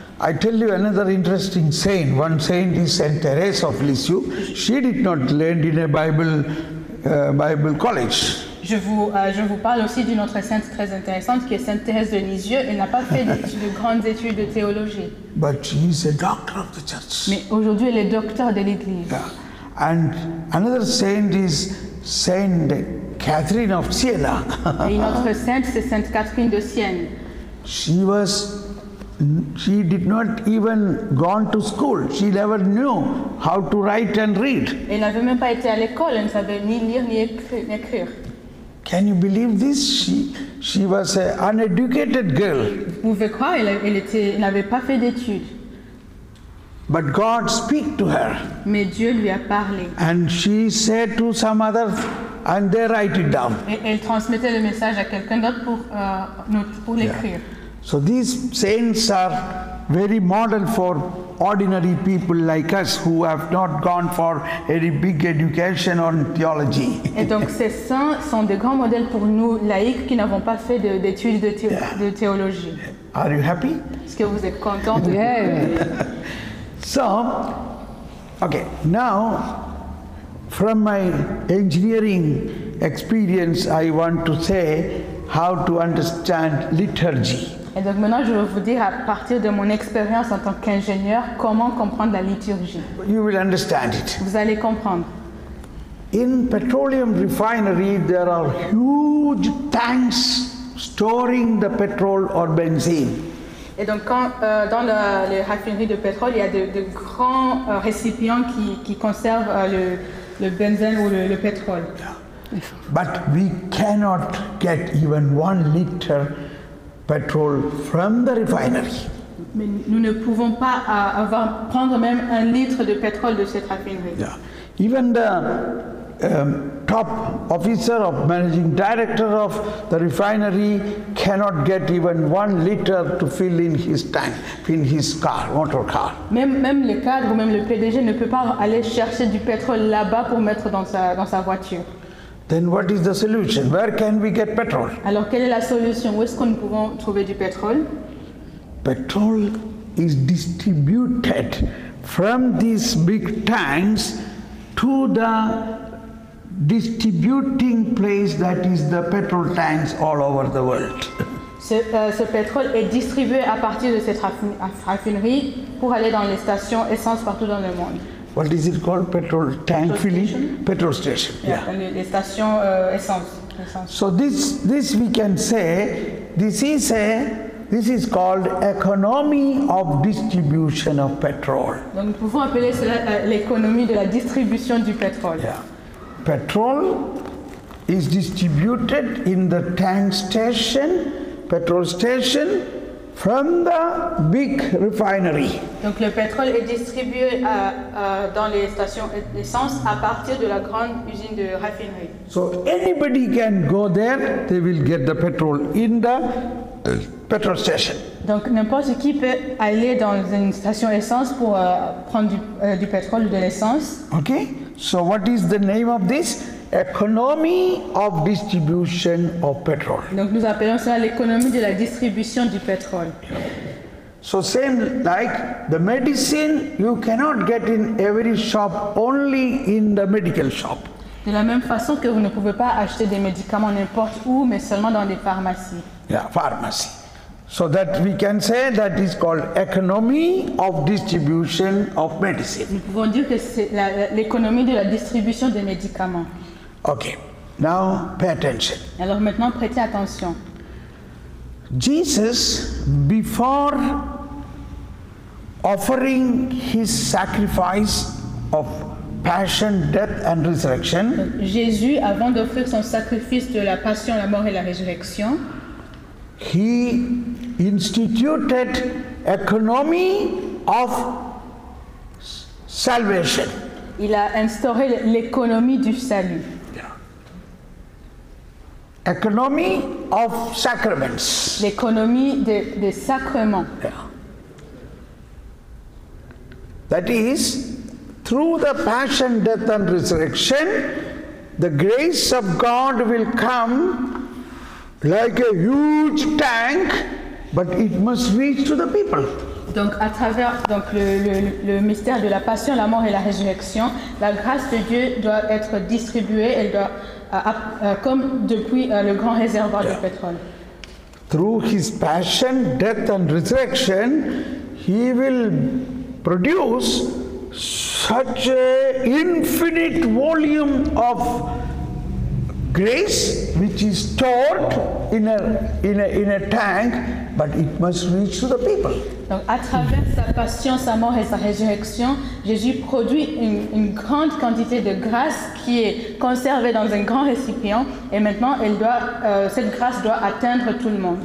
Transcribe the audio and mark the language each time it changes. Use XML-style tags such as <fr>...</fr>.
<en>I tell you another interesting saint. One saint is Saint Thérèse of Lisieux. She did not learn in a Bible college.</en> <fr>Je vous parle aussi d'une autre sainte très intéressante qui est Sainte Thérèse de Lisieux. Elle n'a pas fait de grandes études de théologie.</fr> <en>But she is a doctor of the church.</en> <fr>Mais aujourd'hui, elle est docteur de l'Église.</fr> <en>Yeah. And another saint is Saint Catherine of Siena.</en> <fr>Et une autre sainte, c'est Sainte Catherine de Sienne.</fr> <en>She did not even gone to school. She never knew how to write and read.</en> <fr>Elle n'avait même pas été à l'école. Elle ne savait ni lire ni écrire.</fr> <en>Can you believe this? She was an uneducated girl.</en> <fr>Vous pouvez croire, elle n'avait pas fait d'études.</fr> <en>But God speak to her.</en> <fr>Mais Dieu lui a parlé.</fr> <en>And she said to some other, and they write it down.</en> <fr>Et elle transmettait le message à quelqu'un d'autre pour l'écrire. Yeah.</fr> <en>So these saints are very model for ordinary people like us who have not gone for any big education on theology.</en> <fr>Et donc ces saints sont des grands modèles pour nous laïcs qui n'avons pas fait d'études de théologie.</fr> <en>Are you happy?</en> <fr>Est-ce que vous êtes content?</fr> <en>Yeah. So, okay, now from my engineering experience, I want to say how to understand liturgy.</en> <fr>Et donc maintenant, je vais vous dire à partir de mon expérience en tant qu'ingénieur comment comprendre la liturgie.</fr> <en>You will understand it.</en> <fr>Vous allez comprendre.</fr> <en>In petroleum refinery, there are huge tanks storing the petrol or benzene.</en> <fr>Et donc quand dans la raffinerie de pétrole, il y a de grands récipients qui conservent le benzène ou le pétrole.</fr> <en>But we cannot get even 1 liter petrol from the refinery.</en> <fr>Mais nous ne pouvons pas prendre même 1 litre de pétrole de cette raffinerie.</fr> <en>Yeah. Even the top officer of managing director of the refinery cannot get even 1 liter to fill in his tank, in his car, motor car.</en> <fr>Même le cadre, même le PDG ne peut pas aller chercher du pétrole là-bas pour mettre dans sa voiture.</fr> <en>Then what is the solution? Where can we get petrol?</en> <fr>Alors quelle est la solution? Où est-ce qu'on peut trouver du pétrole?</fr> <en>Petrol is distributed from these big tanks to the distributing place that is the petrol tanks all over the world.</en> <fr>Ce pétrole est distribué à partir de cette raffinerie pour aller dans les stations essence partout dans le monde.</fr> <en>What is it called? Petrol tank filling? Petrol station. Yeah.</en> <fr>Les stations essence.</fr> <en>So this we can say, this is called economy of distribution of petrol.</en> <fr>Donc nous pouvons appeler cela l'économie de la distribution du pétrole.</fr> <en>Yeah. Petrol is distributed in the tank station, petrol station. From the big refinery.</en> <fr>Donc le pétrole est distribué dans les stations d'essence à partir de la grande usine de raffinerie.</fr> <en>So anybody can go there, they will get the petrol in the petrol station.</en> <fr>Donc n'importe qui peut aller dans une station d'essence pour prendre du pétrole ou de l'essence.</fr> <en>Okay. So what is the name of this? Economy of distribution of petrol.</en> <fr>Donc nous appelons ça l'économie de la distribution du pétrole.</fr> <en>So same like the medicine, you cannot get in every shop, only in the medical shop.</en> <fr>De la même façon que vous ne pouvez pas acheter des médicaments n'importe où, mais seulement dans des pharmacies.</fr> <en>Yeah, pharmacy. So that we can say that is called economy of distribution of medicine.</en> <fr>Nous pouvons dire que c'est l'économie de la distribution des médicaments.</fr> <en>Okay, now pay attention.</en> <fr>Alors maintenant, prêtez attention.</fr> <en>Jesus, before offering his sacrifice of passion, death and resurrection,</en> <fr>Jésus, avant d'offrir son sacrifice de la passion, la mort et la résurrection,</fr> <en>he instituted economy of salvation.</en> <fr>Il a instauré l'économie du salut.</fr> <en>Economy of sacraments.</en> <fr>L'économie des sacrements.</fr> <en>That is, through the passion, death and resurrection, the grace of God will come like a huge tank, but it must reach to the people.</en> <fr>Donc à travers donc le mystère de la passion, la mort et la résurrection, la grâce de Dieu doit être distribuée, elle doit comme depuis le grand réservoir de pétrole.</fr> <en>Through his passion, death and resurrection, he will produce such an infinite volume of grace which is stored in a tank, but it must reach to the people.</en> <fr>Donc à travers sa passion, sa mort et sa résurrection, Jésus produit une grande quantité de grâce qui est conservée dans un grand récipient et maintenant cette grâce doit atteindre tout le monde.</fr>